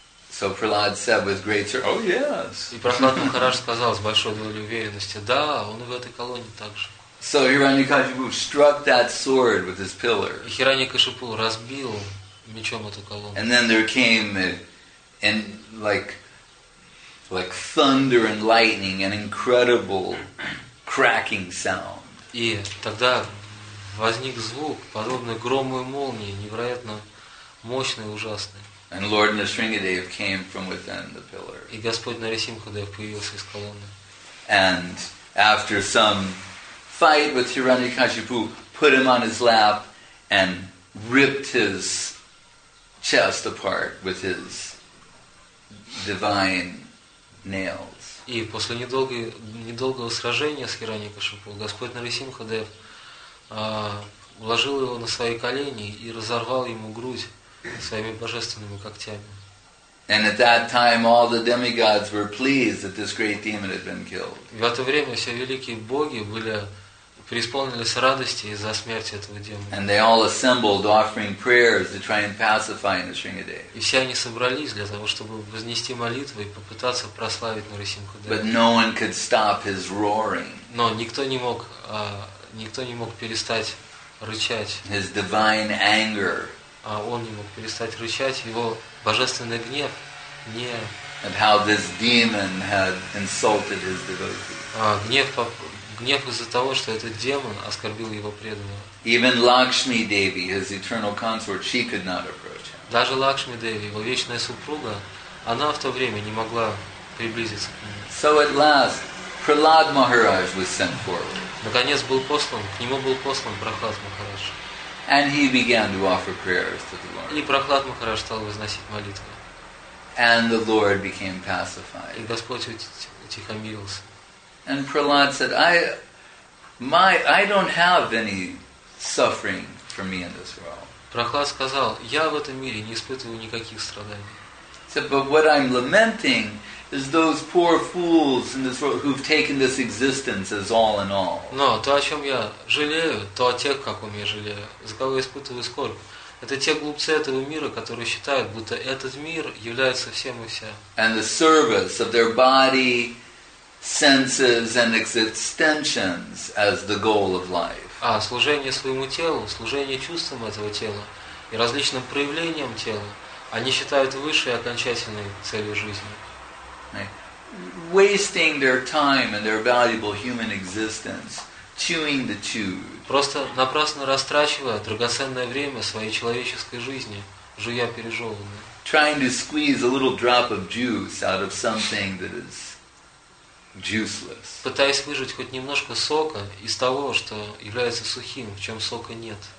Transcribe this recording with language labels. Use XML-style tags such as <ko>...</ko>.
<en>So Prahlad said with great certainty, "Oh yes."</en> <ru>И Прохлад Махарадж сказал с большой долей уверенности, "Да, он в этой колонии также."</ru> <en>So Hiranyakashipu struck that sword with his pillar.</en> <ru>И Хираньякашипу разбил мечом эту колонну.</ru> <en>And then there came like thunder and lightning, an incredible cracking sound.</en> <ru>И тогда возник звук, подобный грому и молнии, невероятно мощный и ужасный.</ru> <en>And Lord Nrisimhadev came from within the pillar.</en> <ru>И Господь Нарасимхадев появился из колонны.</ru> <en>And after some fight with Hiranyakashipu, put him on his lap and ripped his chest apart with his divine nails.</en> <ru>И после недолгого сражения с Хираньякашипу Господь Нарисимхадев уложил его на свои колени и разорвал ему грудь своими божественными когтями.</ru> <en>And at that time all the demigods were pleased that this great demon had been killed.</en> <ru>В это время все великие боги были преисполнились радости из-за смерти этого демона.</ru> <en>And they all assembled offering prayers to try and pacify Нарисимхадева.</en> <ru>И все они собрались для того, чтобы вознести молитвы и попытаться прославить Нарисимхадева.</ru> <en>But no one could stop his roaring.</en> <ru>Но никто не мог перестать рычать.</ru> <en>His divine anger.</en> <ru>А он не мог перестать рычать, его божественный гнев не</ru> <en>at how this demon had insulted his devotee.</en> <ru>Гнев из-за того, что этот демон оскорбил его преданного.</ru> <en>Even Lakshmi Devi, his eternal consort, she could not approach him.</en> <ru>Даже Лакшми Деви, его вечная супруга, она в то время не могла приблизиться к нему.</ru> <en>So at last, Prahlad Maharaj was sent forward.</en> <ru>Наконец был послан, к нему был послан Прахлад Махарадж.</ru> <en>And he began to offer prayers to the Lord.</en> <ru>И Прахлад Махарадж стал возносить молитвы.</ru> <en>And the Lord became pacified.</en> <ru>И Господь утихомирился.</ru> <en>And Prahlad said, I don't have any suffering for me in this world.</en> <ru>Прохлад сказал, я в этом мире не испытываю никаких страданий.</ru> <en>Said, but what I'm lamenting is those poor fools in this world who've taken this existence as all in all.</en> <ru>Но то, о чем я жалею, то о тех, как у меня жалею, за кого я испытываю скорбь. Это те глупцы этого мира, которые считают, будто этот мир является всем и вся.</ru> <en>And the service of their body, senses and extensions as the goal of life.</en> <ru>А служение своему телу, служение чувствам этого тела и различным проявлениям тела, они считают высшей и окончательной целью жизни.</ru> <en>Wasting their time and their valuable human existence chewing the chewed.</en> <ru>Просто напрасно растрачивая драгоценное время своей человеческой жизни, жуя пережеванное.</ru> <en>Trying to squeeze a little drop of juice out of something that is juiceless.</en> <ru>Пытаясь выжать хоть немножко сока из того, что является сухим, в чем сока нет.</ru>